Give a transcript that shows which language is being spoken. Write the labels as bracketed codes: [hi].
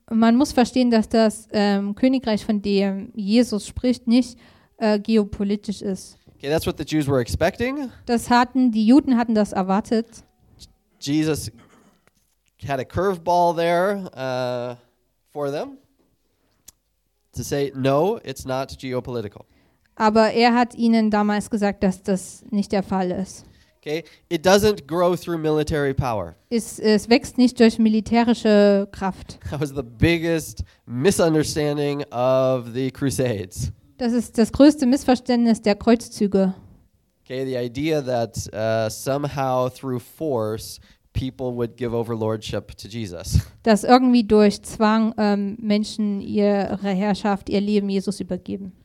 [de] Man muss verstehen, dass das Königreich, von dem Jesus spricht, nicht geopolitisch ist. [en] Okay, that's what the Jews were expecting. [de] Das hatten die Juden hatten das erwartet. [en] Jesus had a curveball there for them to say no, it's not geopolitical. [de] Aber er hat ihnen damals gesagt, dass das nicht der Fall ist. [en] Okay, it doesn't grow through military power. [de] Es wächst nicht durch militärische Kraft. [en] That was the biggest misunderstanding of the Crusades. [de] Das ist das größte Missverständnis der Kreuzzüge. [en] Okay, the idea that somehow through force people would give over lordship to Jesus. [de] Dass irgendwie durch Zwang Menschen ihre Herrschaft, ihr Leben Jesus übergeben.